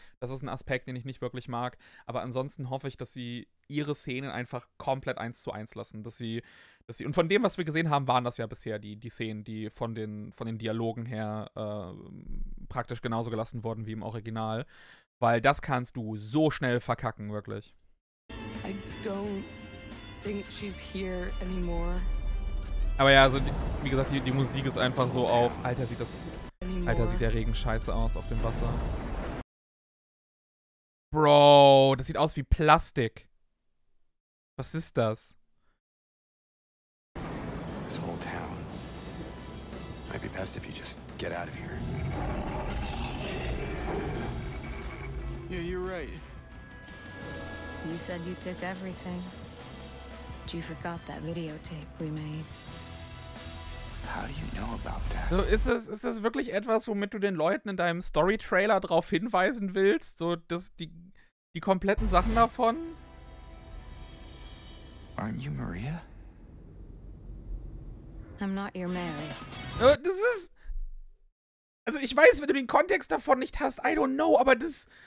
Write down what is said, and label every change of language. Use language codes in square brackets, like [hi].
[de] Das ist ein Aspekt, den ich nicht wirklich mag. Aber ansonsten hoffe ich, dass sie ihre Szenen einfach komplett 1:1 lassen. Dass sie und von dem, was wir gesehen haben, waren das ja bisher die Szenen, die von den Dialogen her praktisch genauso gelassen wurden wie im Original. Weil das kannst du so schnell verkacken, wirklich. [en] I don't think she's here anymore. [de] Aber ja, also wie gesagt, die Musik ist einfach so auf. Alter, sieht der Regen scheiße aus auf dem Wasser. Bro, das sieht aus wie Plastik. Was ist das? [en] This whole town. Might be best if you just get out of here. Yeah, you're right. You said you took everything. But you forgot that videotape we made. How do you know about that? [de] So, ist das wirklich etwas, womit du den Leuten in deinem Story-Trailer drauf hinweisen willst? So, dass die kompletten Sachen davon? [en] Aren't you Maria? I'm not your Mary. [de] So, das ist. Also, ich weiß, wenn du den Kontext davon nicht hast, [en] I don't know, [de] aber das.